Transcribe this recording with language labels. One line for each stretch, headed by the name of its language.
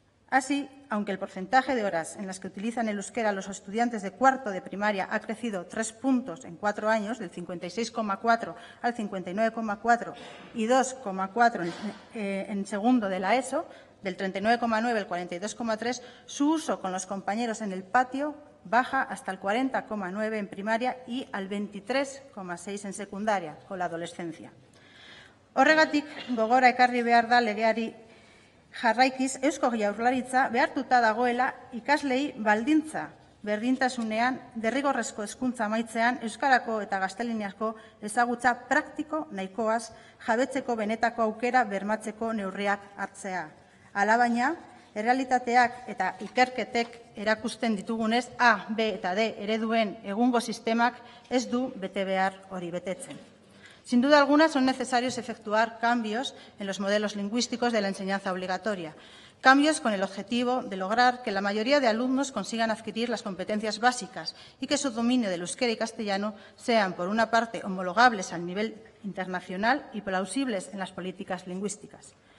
Spanish: Así, aunque el porcentaje de horas en las que utilizan el euskera los estudiantes de cuarto de primaria ha crecido 3 puntos en 4 años, del 56,4 al 59,4 y 2,4 en segundo de la ESO, del 39,9 al 42,3, su uso con los compañeros en el patio baja hasta el 40,9 en primaria y al 23,6 en secundaria, con la adolescencia.
Basque: Horregatik, gogora ekarri behar da legeari jarraikiz, Eusko Jaurlaritza behartuta dagoela ikaslei baldintza berdintasunean, derrigorrezko hezkuntza amaitzean, euskarako eta gaztelaniazko ezagutza praktiko nahikoaz jabetzeko benetako aukera bermatzeko neurriak hartzea. Alabaina, errealitateak eta ikerketek erakusten ditugunez, A, B eta D ereduen egungo sistemak ez du bete behar hori betetzen.
Spanish: Sin duda alguna, son necesarios efectuar cambios en los modelos lingüísticos de la enseñanza obligatoria. Cambios con el objetivo de lograr que la mayoría de alumnos consigan adquirir las competencias básicas y que su dominio del euskera y castellano sean, por una parte, homologables al nivel internacional y plausibles en las políticas lingüísticas.